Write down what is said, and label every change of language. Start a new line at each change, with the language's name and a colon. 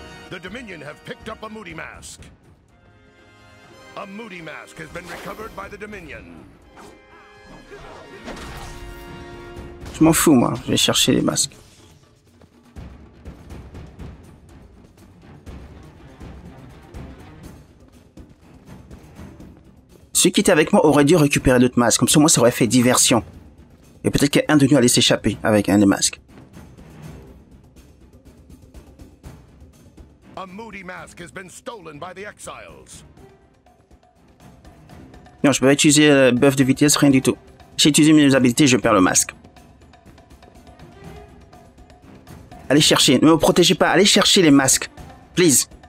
English: The Dominion have picked up a Moody Mask. A Moody Mask has been recovered by the Dominion.
French: Je m'en fous, moi. Je vais chercher les masques. Celui qui était avec moi aurait dû récupérer d'autres masques, comme ça moi ça aurait fait diversion. Et peut-être qu'un de nous allait s'échapper avec un des masques.
English: A Moody mask has been stolen by the exiles.
French: Non, je peux pas utiliser le buff de vitesse, rien du tout. J'ai utilisé mes habilités, je perds le masque. Allez chercher, ne me protégez pas, allez chercher les masques, please.